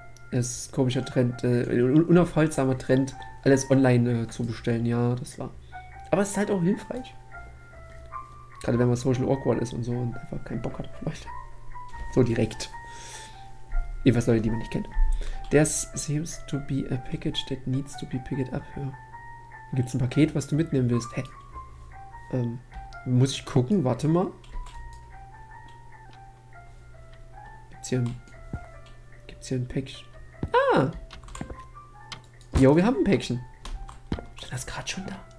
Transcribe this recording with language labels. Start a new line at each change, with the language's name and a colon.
German: Es ist ein komischer Trend, unaufhaltsamer Trend, alles online zu bestellen. Ja, das war. Aber es ist halt auch hilfreich. Gerade wenn man Social Awkward ist und so und einfach keinen Bock hat auf Leute. So direkt. Jedenfalls Leute, die man nicht kennt.
English: There seems to be a package that needs to be picked up.
German: Ja. Gibt es ein Paket, was du mitnehmen willst? Hä? Muss ich gucken? Warte mal. Gibt's hier ein Päckchen? Ah! Jo, wir haben ein Päckchen. Stand das gerade schon da?